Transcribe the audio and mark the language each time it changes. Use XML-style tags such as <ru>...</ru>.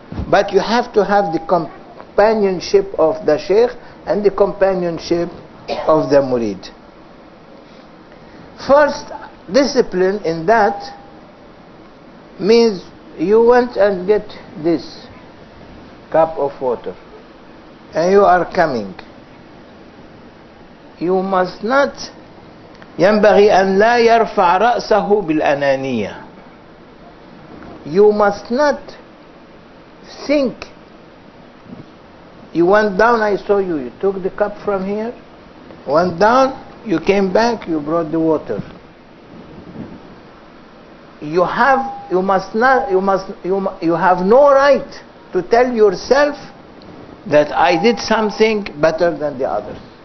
<en>But you have to have the companionship of the Shaykh and the companionship of the Murid. First, discipline in that means you went and get this cup of water and you are coming. You must not</en> <ar>ينبغي أن لا يرفع رأسه بالأنانية.</ar> <en>You must not think you went down, I saw you, you took the cup from here, went down, you came back, you brought the water. You have no right to tell yourself that I did something better than the others.</en>